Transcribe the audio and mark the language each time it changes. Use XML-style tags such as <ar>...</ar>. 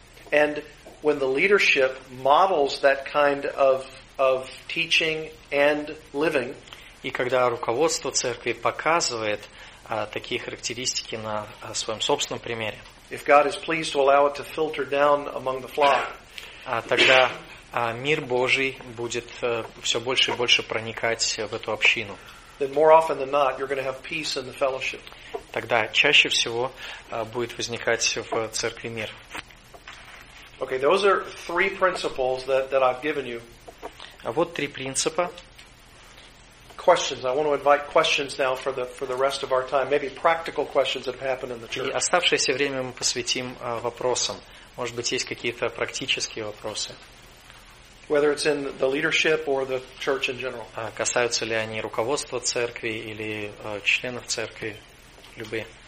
<en>And when the leadership models that kind of teaching and living,</en> <ru>и когда руководство церкви показывает такие характеристики на своем собственном примере,</ru> <en>if God is pleased to allow it to filter down among the flock,</en> <ru>тогда мир Божий будет все больше и больше проникать в эту общину.</ru> <en>Then more often than not, you're going to have peace in the fellowship.</en> <ru>Тогда чаще всего будет возникать в церкви мир.</ru> <en>Okay, those are three principles that I've given you.</en> <ru>А вот три принципа.</ru> <en>Questions. I want to invite questions now for the rest of our time. Maybe practical questions that have happened in the church.</en> <ru>И оставшееся время мы посвятим вопросам. Может быть, есть какие-то практические вопросы.</ru> <en>Whether it's in the leadership or the church in general.</en> <ru>Касаются ли они руководства церкви или членов церкви, любые.</ru>